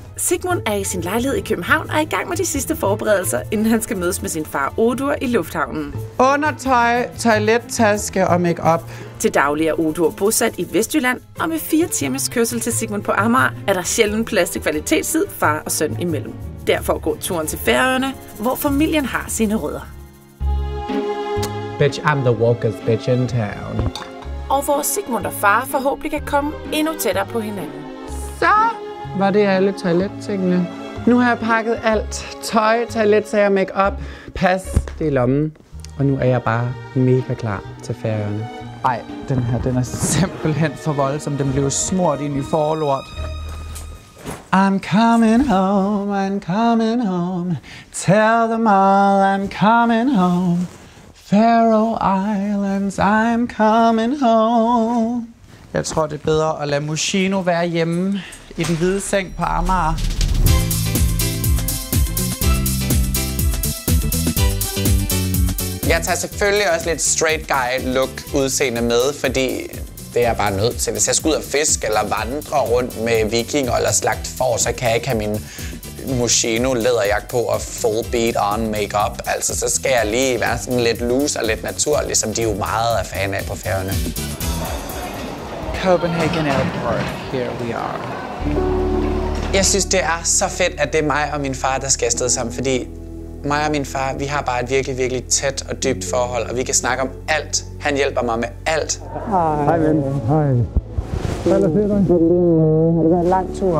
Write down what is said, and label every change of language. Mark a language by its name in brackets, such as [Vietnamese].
[Danish] Sigmund er i sin lejlighed i København og er i gang med de sidste forberedelser, inden han skal mødes med sin far Odur i lufthavnen. Undertøj, toilettaske og makeup. Til daglig er Odur bosat i Vestjylland, og med 4 timers kørsel til Sigmund på Amager, er der sjældent plads til kvalitetstid far og søn imellem. Derfor går turen til Færøerne, hvor familien har sine rødder. [English] Bitch, I'm the walkest bitch in town. [Danish] Og hvor Sigmund og far forhåbentlig kan komme endnu tættere på hinanden. Så var det alle toilettingene. Nu har jeg pakket alt. Tøj, toilettager, makeup, pas, det er lommen. Og nu er jeg bare mega klar til Færøerne. Ej, den her, den er simpelthen for voldsom. Den blev smurt ind i forlort. [English] I'm coming home, I'm coming home. Tell them all I'm coming home. Faroe Islands, I'm coming home. [Danish] Jeg tror, det er bedre at lade Moschino være hjemme i den hvide seng på Amager. Jeg tager selvfølgelig også lidt straight guy look udseende med, fordi det er jeg bare nødt til. Hvis jeg skal ud og fiske eller vandre rundt med vikinger eller slagt får, så kan jeg ikke have min Moschino læderjakke på og [English] full beat on makeup. [Danish] Altså, så skal jeg lige være sådan lidt loose og lidt naturlig, som de jo meget er fan af på Færøerne. [English] Copenhagen Airport, here we are. [Danish] Jeg synes, det er så fedt, at det er mig og min far, der skal afsted sammen, fordi mig og min far, vi har bare et virkelig, virkelig tæt og dybt forhold, og vi kan snakke om alt. Han hjælper mig med alt. Hej. Hej, ven. Hej. Hvad er det, har det været en lang tur?